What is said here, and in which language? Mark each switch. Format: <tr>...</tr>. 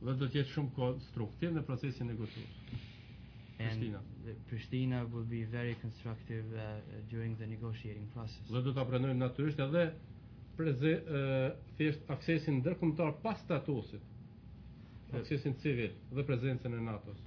<sq>Dhe do t'jetë shumë konstruktiv në procesin negociues.</sq> <en>And Pristina will be very constructive during the negotiating process.</en> <sq>Dhe do ta pranojmë natyrisht edhe thjesht aksesin ndërkombëtar pas statusit, aksesin civil dhe prezencën e NATO-s.</sq>